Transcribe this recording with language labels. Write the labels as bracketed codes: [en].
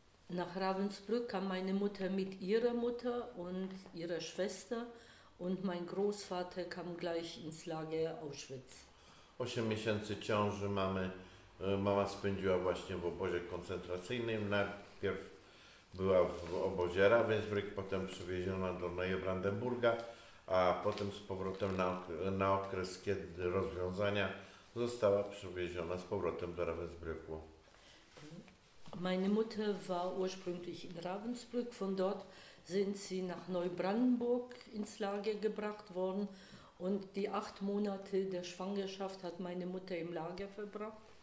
[de] Nach Ravensbrück kam meine Mutter mit ihrer Mutter und ihrer Schwester. Und mein Großvater kam gleich ins Lager Auschwitz. [pl] 8 miesięcy ciąży mama spędziła właśnie w obozie koncentracyjnym. Najpierw była w obozie Ravensbrück, potem przewieziona do Neubrandenburga, a potem z powrotem na okres, kiedy rozwiązania, została przewieziona z powrotem do Ravensbrücku. [de] Meine Mutter war ursprünglich in Ravensbrück, von dort sind sie nach Neubrandenburg ins Lager gebracht worden und die 8 Monate der Schwangerschaft hat meine Mutter im Lager verbracht.